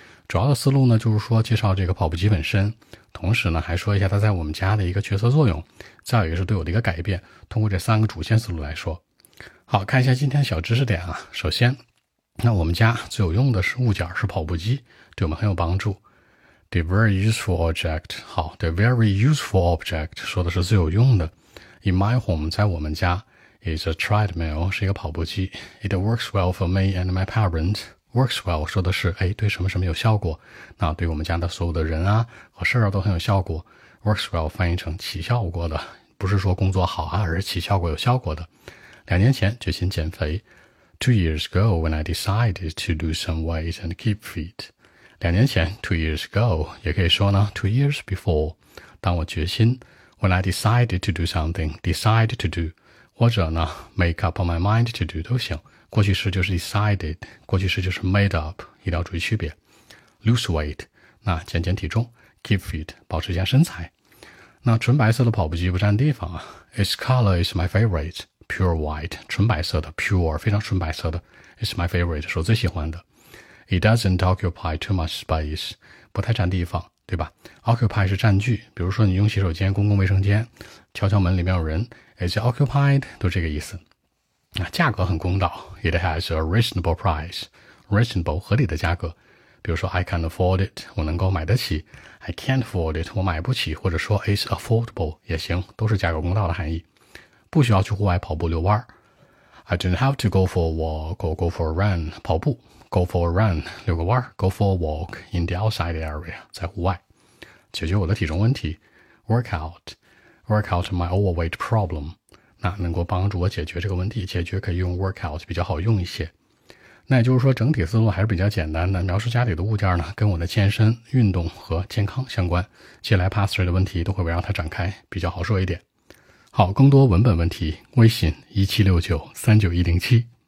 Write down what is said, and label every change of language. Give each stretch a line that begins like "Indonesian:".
Chinese: 主要的思路呢就是说介绍这个跑步机本身，同时呢还说一下它在我们家的一个角色作用，再有一个是对我的一个改变，通过这三个主线思路来说。好，看一下今天小知识点啊。首先，那我们家最有用的是物件是跑步机，对我们很有帮助。
English: The very useful object， 好 ，the very useful object
Chinese: 说的是最有用的。
English: In my home，
Chinese: 在我们家
English: ，is a treadmill
Chinese: 是一个跑步机。
English: It works well for me and my parents。
Chinese: Works well 说的是哎对什么什么有效果，那对我们家的所有的人啊和事儿啊都很有效果。 Works well 翻译成起效果的，不是说工作好啊，而是起效果有效果的。两年前决心减肥。
English: Two years ago when I decided to lose some weight and keep fit.
Chinese: 两年前 ,two years ago, 也可以说呢 ,two years before, 当我决心 ,
English: when I decided to do something,
Chinese: decide to do, 或者呢 ,
English: make up my mind to do,
Chinese: 都行。过去式就是 decided, 过去式就是 made up, 一定要注意区别。 Lose weight, 那减减体重 ,keep fit, 保持一下身材。那纯白色的跑步机不占地方啊 ,
English: its color is my favorite.
Chinese: Pure white, 纯白色的 ,pure, 非常纯白色的 ,
English: is my favorite,
Chinese: 是我最喜欢的。
English: It doesn't occupy too much space,
Chinese: 不太占地方，对吧 ?Occupy 是占据，比如说你用洗手间、公共卫生间，敲敲门里面有人 ,is occupied, 都这个意思。那价格很公道 ,
English: it has a reasonable price,
Chinese: reasonable, 合理的价格。比如说 ,
English: I can afford it,
Chinese: 我能够买得起 ,
English: I can't afford it,
Chinese: 我买不起，或者说 ,
English: is affordable,
Chinese: 也行，都是价格公道的含义。不需要去户外跑步遛弯。
English: I don't have to go for a walk or go for a run, 跑步 ,go for a run, 遛个弯 ,go for a walk in the outside area,
Chinese: 在户外。解决我的体重问题 ,
English: workout my overweight problem,
Chinese: 那能够帮助我解决这个问题，解决可以用 workout 比较好用一些。那也就是说整体思路还是比较简单的，描述家里的物件呢跟我的健身运动和健康相关，接下来 pass 3的问题都会围绕它展开，比较好说一点。好，更多文本问题，微信17693910。